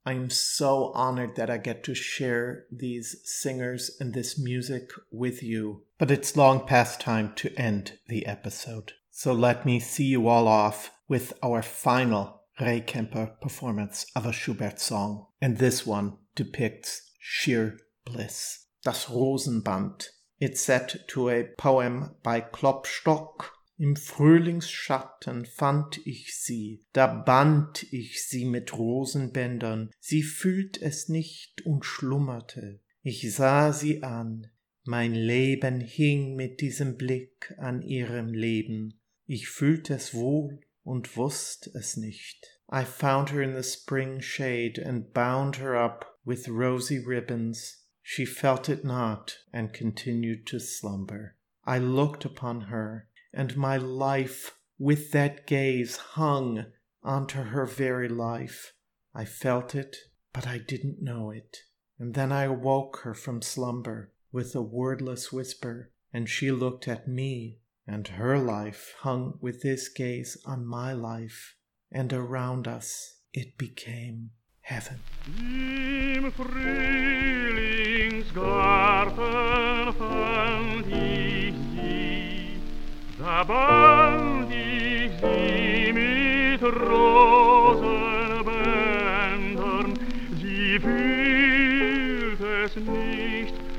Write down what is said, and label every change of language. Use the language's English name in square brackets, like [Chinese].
[English] I'm so honored that I get to share these singers and this music with you, but it's long past time to end the episode. So let me see you all off with our final Ray Kemper performance of a Schubert song. And this one depicts sheer bliss. Das Rosenband. It's set to a poem by Klopstock. [German] Im Frühlingsschatten fand ich sie, da band ich sie mit Rosenbändern. Sie fühlt es nicht und schlummerte. Ich sah sie an. Mein Leben hing mit diesem Blick an ihrem Leben. Ich fühlte es wohl und wusste es nicht. [English] I found her in the spring shade and bound her up with rosy ribbons. She felt it not and continued to slumber. I looked upon her, and my life with that gaze hung onto her very life. I felt it, but I didn't know it. And then I awoke her from slumber with a wordless whisper, and she looked at me. And her life hung with this gaze on my life, and around us it became heaven. [German] Im Frühlingsgarten fand ich sie, da band ich sie mit Rosenbändern, sie fühlt es nicht